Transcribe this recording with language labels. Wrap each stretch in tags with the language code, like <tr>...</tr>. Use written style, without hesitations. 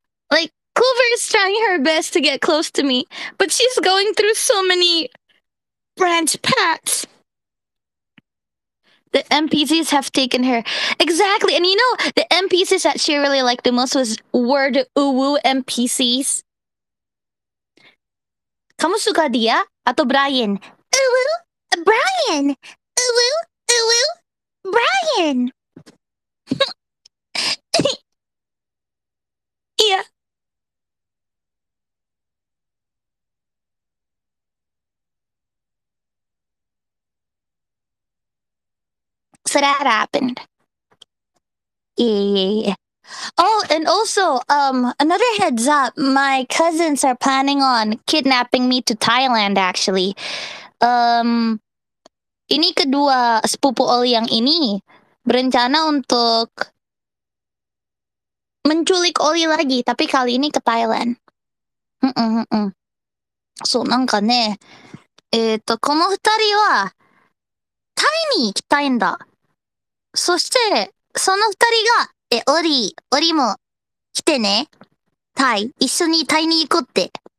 <en>Like, Clover is trying her best to get close to me, but she's going through so many branch paths. The NPCs have taken her. Exactly. And you know, the NPCs that she really liked the most were the uwu NPCs.</en> <id>Kamu suka dia atau Brian? Uwu, Brian. Uwu, uwu, Brian.</id> <en>Yeah. So that happened. Yeah. Oh, and also, another heads up. My cousins are planning on kidnapping me to Thailand, actually.</en> <id>Ini kedua sepupu Oli yang ini berencana untuk menculik Oli lagi, tapi kali ini ke Thailand.</id> <ja>So, なんかね、この二人はタイに行きたいんだ。そして、その二人が、オリも来てね。タイ、一緒にタイに行こうって。</ja>